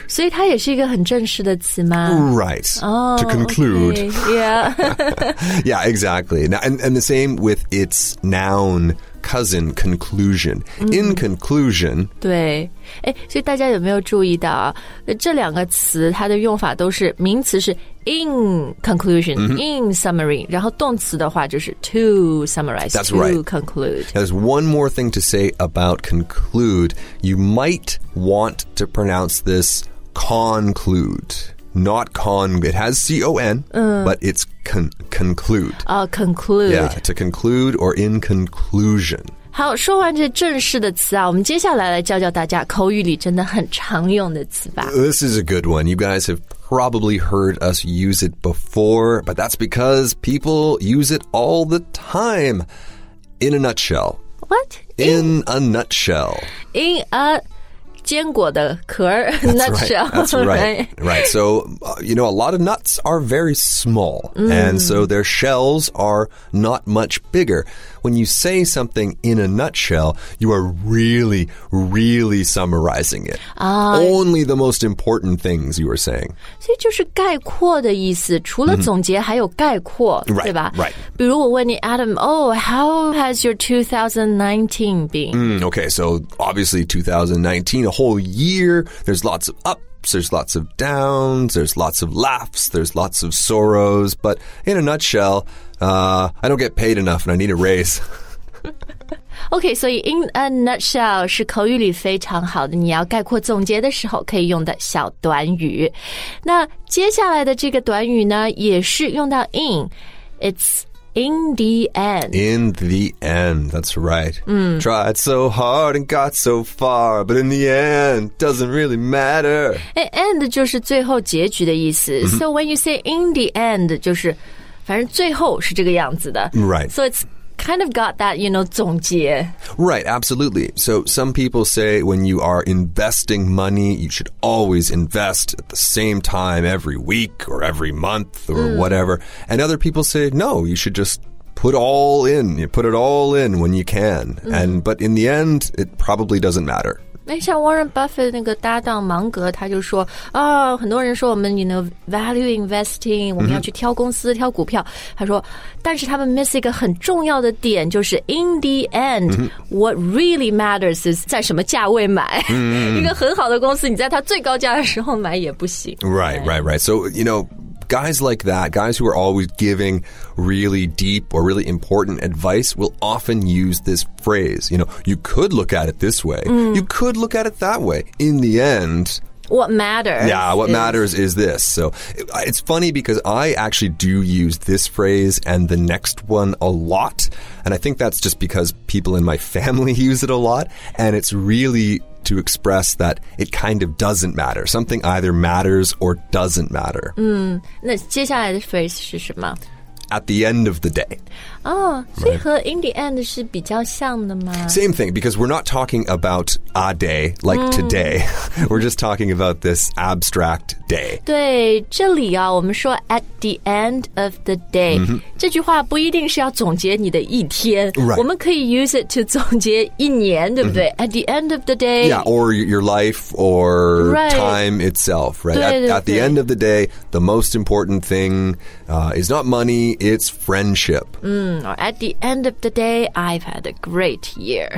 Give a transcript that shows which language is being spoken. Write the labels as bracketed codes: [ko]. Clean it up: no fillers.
[zh] 所以它也是一个很正式的词吗? [en] Right. Oh, to conclude. Okay. Yeah. Yeah, exactly. Now, and the same with its noun cousin, conclusion. In conclusion. [zh] 对。诶，所以大家有没有注意到啊？这两个词它的用法都是名词是 [en] in conclusion,、in summary, [zh] 然后动词的话就是 [en] to summarize, That's to、 right. conclude. There's one more thing to say about conclude. You might want to pronounce this conclude, not con, it has C-O-N,、but it's conclude. Oh, conclude. Yeah, to conclude or in conclusion. [zh] 好说完这正式的词啊我们接下来来教教大家口语里真的很常用的词吧。 [en] This is a good one. You guys have probably heard us use it before, but that's because people use it all the time. In a nutshell. What? In a nutshell. In a [zh] 坚果的壳 [en] nutshell. Right, that's right. Right. So, you know, a lot of nuts are very small,、and so their shells are not much bigger. When you say something in a nutshell, you are really, really summarizing it. Only the most important things you are saying. [zh] 所以就是概括的意思，除了总结还有概括，对吧？ [en] Right. [zh] 比如我问你 [en] Adam, how has your 2019 been? Okay, so obviously 2019, a whole year, there's lots of ups, there's lots of downs, there's lots of laughs, there's lots of sorrows, but in a nutshell... I don't get paid enough and I need a raise. [zh] Okay, so [en] in a nutshell [zh] 是口语里非常好的你要概括总结的时候可以用的小短语。那接下来的这个短语呢也是用到 in. [en] It's in the end. In the end, that's right.、Tried so hard and got so far, but in the end, doesn't really matter. [zh] End 就是最后结局的意思。 [en] So when you say in the end, [zh] 就是反正最后是这个样子的 [en] Right. So it's kind of got that, you know, 总结 Right, absolutely. So some people say when you are investing money, you should always invest at the same time every week or every month or、whatever. And other people say, no, you should just put all in. You put it all in when you can.、And, but in the end, it probably doesn't matter. [zh] 像 Warren Buffett 那个搭档芒格他就说、哦、很多人说我们 [en] you know, value investing [zh] 我们要去挑公司、mm-hmm. 挑股票他说但是他们 miss 一个很重要的点就是 [en] in the end、 [zh] mm-hmm. [en] what really matters is [zh] 在什么价位买、 [en] mm-hmm. [zh] 一个很好的公司你在它最高价的时候买也不行 [en] right, right, right So you know guys like that guys who are always giving really deep or really important advice will often use this phrase you know you could look at it this way、mm. you could look at it that way in the end what matters yeah what is... matters is this so it's funny because I actually do use this phrase and the next one a lot and I think that's just because people in my family use it a lot and it's reallyto express that it kind of doesn't matter. Something either matters or doesn't matter. [zh] 那接下来的 phrase 是什么? [en] At the end of the day. [zh] 哦、 [en] oh, right. [zh] 所以和 [en] in the end [zh] 是比较像的吗? [en] Same thing, because we're not talking about a day, like、mm. today. We're just talking about this abstract day. [zh] 对,这里啊,我们说 [en] at the end of the day.、Mm-hmm. [zh] 这句话不一定是要总结你的一天。 [en] Right. [zh] 我们可以 [en] use it to [zh] 总结一年,对不对? [en] Mm-hmm. At the end of the day. Yeah, or your life or、 right. time itself. Right. [zh] 对对对 [en] at the end of the day, the most important thing、is not money, it's friendship.、 Mm. At the end of the day, I've had a great year.